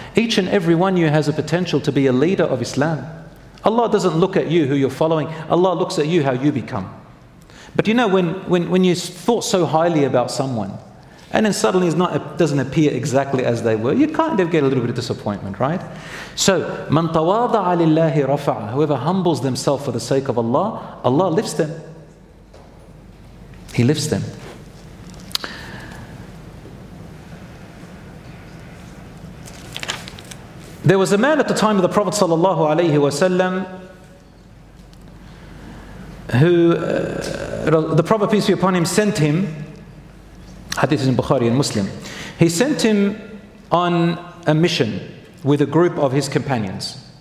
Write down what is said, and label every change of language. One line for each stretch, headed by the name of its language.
English: Each and every one of you has a potential to be a leader of Islam. Allah doesn't look at you who you're following. Allah looks at you how you become. But you know, when you thought so highly about someone, and then suddenly it's not, it doesn't appear exactly as they were, you kind of get a little bit of disappointment, right?
Arabic: So, مَنْ تَوَاضَعَ لِلَّهِ رَفَعَ.
English: Whoever humbles themselves for the sake of Allah, Allah lifts them. He lifts them. There was a man at the time of the Prophet sallallahu alayhi wa sallam who the Prophet, peace be upon him, sent him, hadith is in Bukhari and Muslim, he sent him on a mission with a group of his companions.